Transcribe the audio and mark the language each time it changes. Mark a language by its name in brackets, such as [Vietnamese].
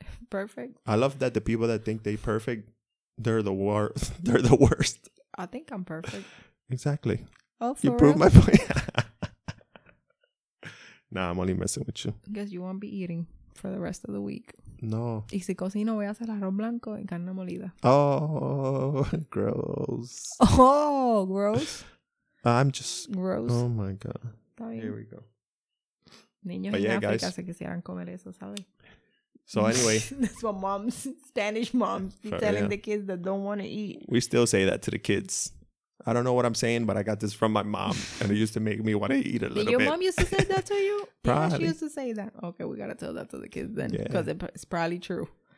[English] Perfect. I love that the people that think they perfect, they're the worst. I think I'm perfect. Exactly. Oh, for you proved my point. Nah, I'm only messing with you. Guess you won't be eating for the rest of the week. No. [Spanish] Y si cocino, voy a hacer arroz blanco en carne molida. [English] Oh, gross. Oh, gross. I'm just gross. Oh my God. Está bien. Here we go. [Spanish] Niños en África se quisieran comer eso, ¿sabes? [English] So anyway, that's what moms, Spanish moms, be telling the kids that don't want to eat. We still say that to the kids. I don't know what I'm saying, but I got this from my mom, and it used to make me want to eat a little bit. Your mom used to say that to you? Probably. Yeah, she used to say that. Okay, we got to tell that to the kids then, because it's probably true.